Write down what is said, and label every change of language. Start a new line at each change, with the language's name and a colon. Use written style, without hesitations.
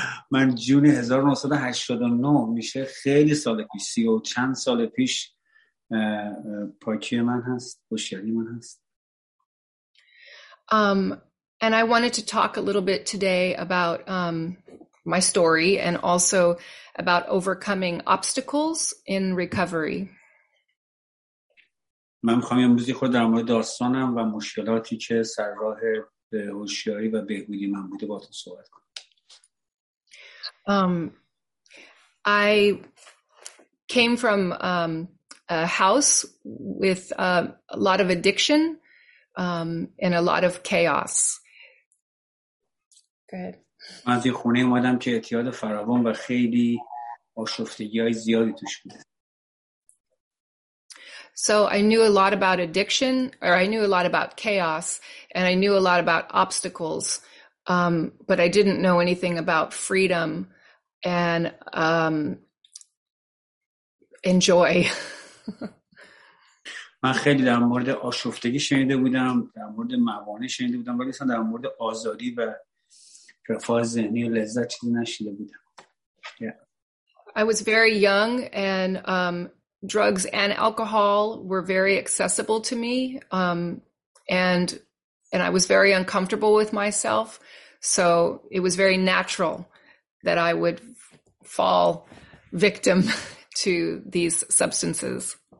Persian: من جون 1989 میشه خیلی سال پیش، 30 و چند سال پیش. پاکی من هست، هوشیاری من هست.
English: And I wanted to talk a little bit today about my story and also about overcoming obstacles in recovery.
Persian: من میخوام امروز یه خورده در مورد داستانم و مشکلاتی که سر راه هوشیاری و بهبودی من بوده باهاتون صحبت کنم.
English: I came from a house with a lot of addiction and a lot of chaos. Good.
Persian: من از یه خونه اومدم که اعتیاد فراوان و خیلی آشفتگی‌های زیادی توش بود.
English: So I knew a lot about addiction, or I knew a lot about chaos, and I knew a lot about obstacles, but I didn't know anything about freedom. And enjoy.
Persian: من خیلی در مورد آشفتگی شنیده بودم، در مورد موانع شنیده بودم، ولی اصلا در مورد آزادی و رفاه ذهنی و لذت چیزی نشنیده بودم.
English: I was very young and drugs and alcohol were very accessible to me. And I was very uncomfortable with myself. So it was very natural that I would fall victim to these substances.